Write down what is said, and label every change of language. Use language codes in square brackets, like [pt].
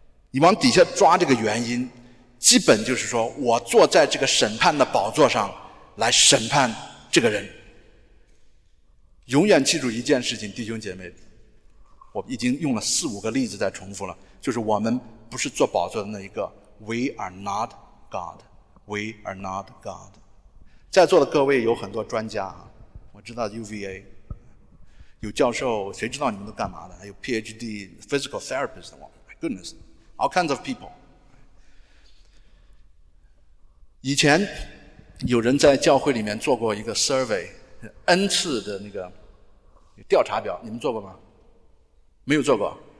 [zh] 你往底下抓这个原因，基本就是说我坐在这个审判的宝座上来审判这个人。永远记住一件事情，弟兄姐妹，我已经用了四五个例子在重复了，就是我们不是坐宝座的那一个。 [en] We are not God， We are not God。 [zh] 在座的各位有很多专家，我知道 UVA 有教授，谁知道你们都干嘛的，还有 PhD Physical Therapist， [en] My goodness， All kinds of people。 [zh] 以前有人在教会里面做过一个 survey， N 次的那个调查表，你们做过吗？没有做过。